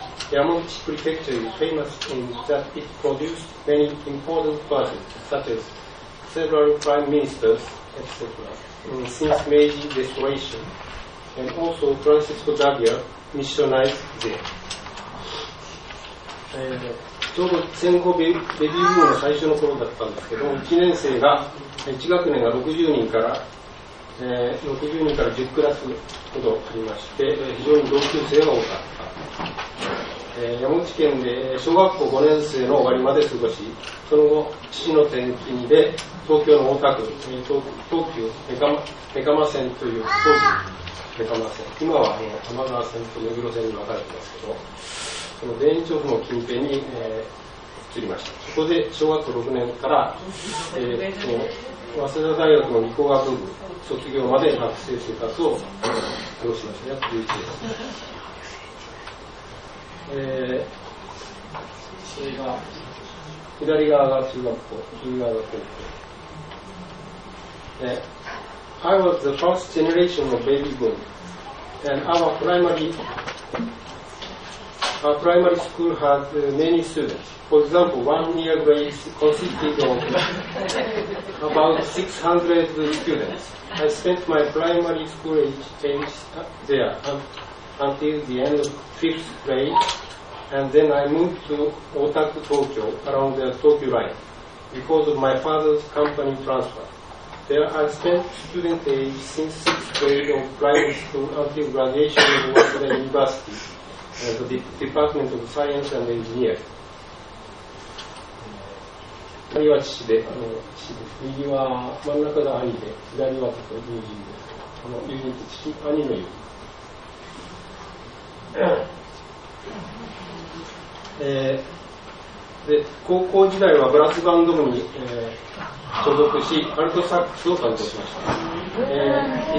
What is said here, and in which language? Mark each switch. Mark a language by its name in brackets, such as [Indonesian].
[English] Yamaguchi Prefecture is famous in that it produced many important persons, such as several prime ministers, etc., since Meiji Restoration, and also Francisco Xavier missionized there. [Japanese] ちょうど戦後ベビーブームの最初の頃だったんですけど、1学年が60人から10クラスほどありまして、非常に同級生が多かった。山口県で小学校5年生の終わりまで過ごし、その後父の転勤で東京の大田区、東急目蒲線という当時目蒲線、今は多摩川線と目黒線に分かれてますけど、その田園調布の近辺に、移りました。そこで小学校6年から、早稲田大学の理工学部卒業まで学生生活を過ごしました。約11年それが左側が中学校、右側が高校。 [English] I was the first generation of baby boom, and our primary school had many students. For example, one year grade consisted of about 600 students. I spent my primary school age there until the end of fifth grade. And then I moved to Otaku, Tokyo, around the Tokyo line, because of my father's company transfer. There I spent student age since sixth grade of primary school until graduation of Waseda University, the Department of Science and Engineering. [Japanese] 右は父で、右は真ん中が兄で、左はと友人で、友人と父、兄の友人。で高校時代はブラスバンド部に、所属しアルトサックスを担当しました。